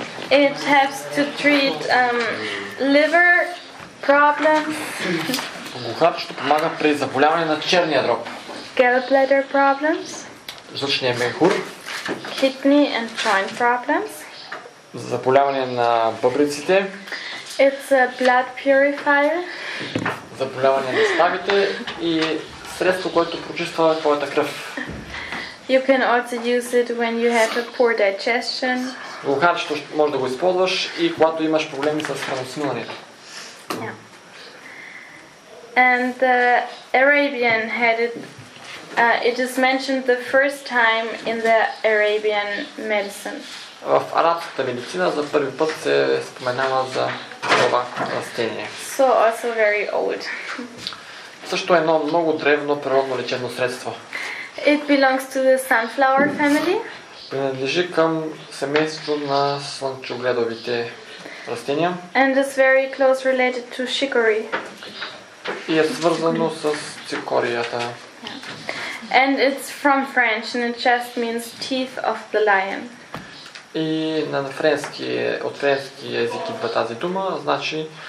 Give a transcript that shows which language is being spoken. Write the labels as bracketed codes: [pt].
[en] It helps to treat liver problems. [bg] Глухарчето помага при заболяване на черния дроб. [en] Gallbladder problems. [bg] Жлъчния мехур. [en] Kidney and joint problems. [bg] Заболяване на бъбреците. [en] It's a blood purifier. [bg] Заболяване на ставите и средство, което прочиства твоята кръв. [en] You can also use it when you have a poor digestion. [bg] Глухарчето може да го използваш и когато имаш проблеми с храносмилането. [en] And the Arabian had it, it is mentioned the first time in the Arabian medicine. [bg] В арабската медицина за първи път се споменава за това растение. [en] So also very old. [bg] Също едно много древно природно лечебно средство. [en] It belongs to the sunflower family. [bg] Принадлежи към семейство на слънчогледовите растения. [en] And is very close related to chicory. [bg] И е свързано с цикорията. Yeah. [en] And it's from French and it just means teeth of the lion. [bg] И на френски, от френски език идва тази дума, значи